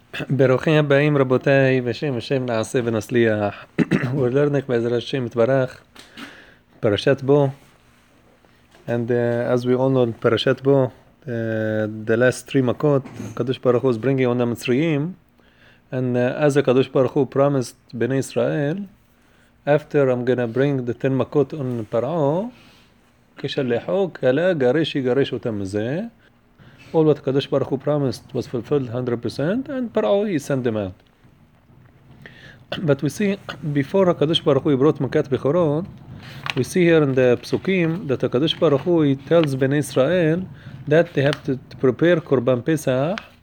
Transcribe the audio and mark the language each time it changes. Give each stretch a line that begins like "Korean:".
Hebrew: ברוכים הבאים רבותיי, בשם השם נעשה ונצליח. ולרנך בעזרת השם יתברך, פרשת בו.
English: And as we all know, פרשת בו, the last three מכות, הקדוש ברוך הוא is bringing on the מצרים. And as the קדוש ברוך הוא promised בני ישראל, after I'm gonna bring the 10 מכות on פרעו,
Hebrew: כשלחו, כלה, גרש, יגרש אותם מזה.
English: All what Kadosh Baruch Hu promised was fulfilled 100%, and Parao he sent them out. But we see before Kadosh Baruch Hu brought Makat Bechorot, we see here in the Psukim that Kadosh Baruch Hu he tells Bnei Israel that they have to prepare Korban Pesach.